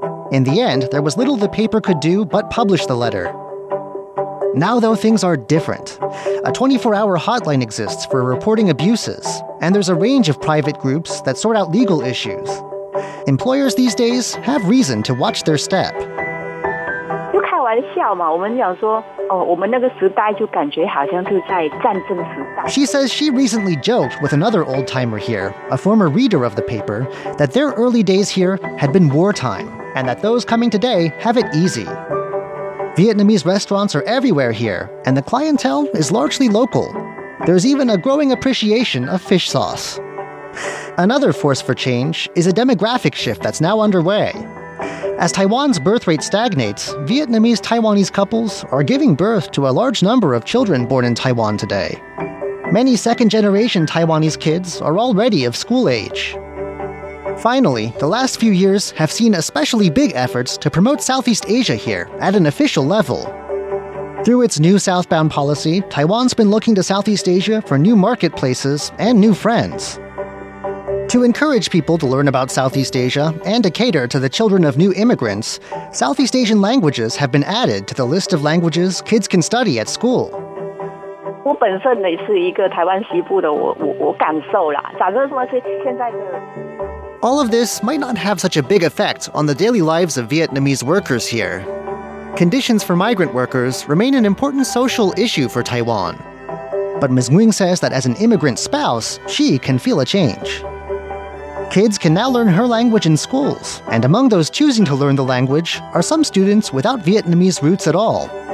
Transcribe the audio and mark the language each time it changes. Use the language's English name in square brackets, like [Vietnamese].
[English] In the end, there was little the paper could do but publish the letter. Now, though, things are different. A 24-hour hotline exists for reporting abuses, and there's a range of private groups that sort out legal issues. Employers these days have reason to watch their step. [Chinese] 就开玩笑嘛，我们讲说我们那个时代就感觉好像是在战争时代。 [English] She says she recently joked with another old-timer here, a former reader of the paper, that their early days here had been wartime, and that those coming today have it easy. Vietnamese restaurants are everywhere here, and the clientele is largely local. There's even a growing appreciation of fish sauce. Another force for change is a demographic shift that's now underway. As Taiwan's birth rate stagnates, Vietnamese-Taiwanese couples are giving birth to a large number of children born in Taiwan today. Many second-generation Taiwanese kids are already of school age. Finally, the last few years have seen especially big efforts to promote Southeast Asia here at an official level. Through its new southbound policy, Taiwan's been looking to Southeast Asia for new marketplaces and new friends. To encourage people to learn about Southeast Asia and to cater to the children of new immigrants, Southeast Asian languages have been added to the list of languages kids can study at school. [Chinese] 我本身也是一个台湾西部的，我感受啦，反正说是现在的。 [English] All of this might not have such a big effect on the daily lives of Vietnamese workers here. Conditions for migrant workers remain an important social issue for Taiwan. But Ms. Nguyen says that as an immigrant spouse, she can feel a change. Kids can now learn her language in schools, and among those choosing to learn the language are some students without Vietnamese roots at all.